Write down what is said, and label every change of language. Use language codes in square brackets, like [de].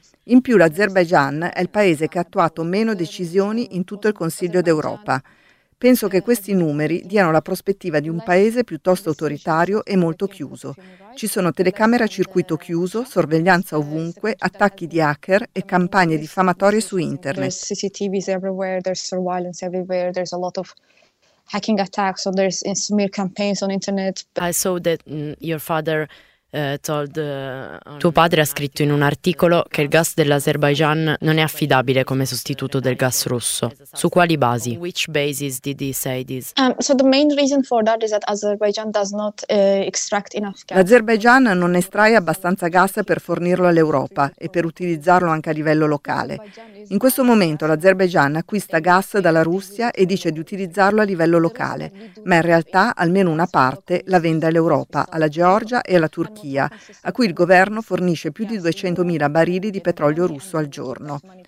[it] In più l'Azerbaigian è il paese che ha attuato meno decisioni in tutto il Consiglio d'Europa. Penso che questi numeri diano la prospettiva di un paese piuttosto autoritario e molto chiuso. Ci sono telecamere a circuito chiuso, sorveglianza ovunque, attacchi di hacker e campagne diffamatorie su internet. [en] CCTV everywhere, there's surveillance everywhere, there's a lot of hacking attacks, so there's smear campaigns on internet. I saw that your father [it] Tuo padre ha scritto in un articolo che il gas dell'Azerbaigian non è affidabile come sostituto del gas russo. Su quali basi? [en] Which basis did he say this? So the main reason for that is that Azerbaijan does not extract enough gas. [it] L'Azerbaigian non estrae abbastanza gas per fornirlo all'Europa e per utilizzarlo anche a livello locale. In questo momento l'Azerbaigian acquista gas dalla Russia e dice di utilizzarlo a livello locale, ma in realtà almeno una parte la vende all'Europa, alla Georgia e alla Turchia, a cui il governo fornisce più di 200.000 barili di petrolio russo al giorno.